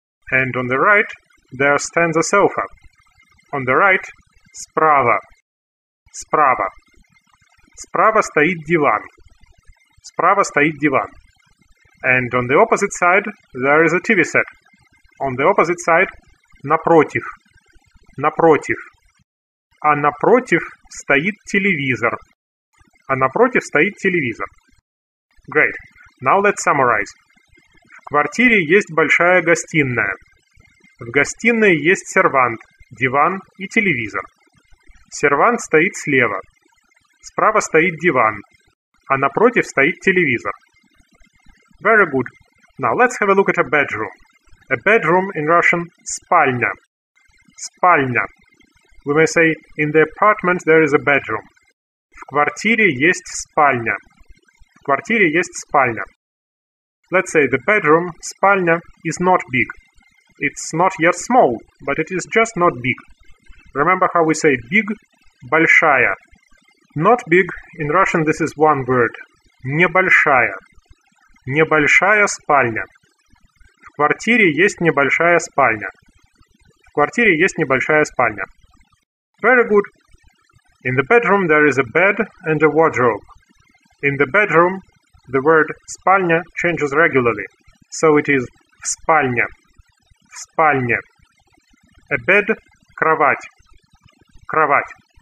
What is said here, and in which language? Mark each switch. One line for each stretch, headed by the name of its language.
English: And on the right, there stands a sofa. On the right, справа. Справа.
Russian: Справа стоит диван. Справа стоит диван.
English: And on the opposite side, there is a TV set. On the opposite side, напротив. Напротив.
Russian: А напротив стоит телевизор. А напротив стоит телевизор.
English: Great. Now let's summarize.
Russian: В квартире есть большая гостиная. В гостиной есть сервант, диван и телевизор. Сервант стоит слева. Справа стоит диван, а напротив стоит телевизор.
English: Very good. Now let's have a look at a bedroom. A bedroom in Russian – спальня. Спальня. We may say, in the apartment there is a bedroom.
Russian: В квартире есть спальня. В квартире есть спальня.
English: Let's say the bedroom, спальня, is not big. It's not yet small, but it is just not big. Remember how we say big? Большая. Not big, in Russian this is one word.
Russian: Небольшая. Небольшая спальня. В квартире есть небольшая спальня. В квартире есть небольшая спальня.
English: Very good. In the bedroom there is a bed and a wardrobe. In the bedroom, the word спальня changes regularly. So it is
Russian: в спальне. В спальне.
English: A bed
Russian: – кровать. Кровать.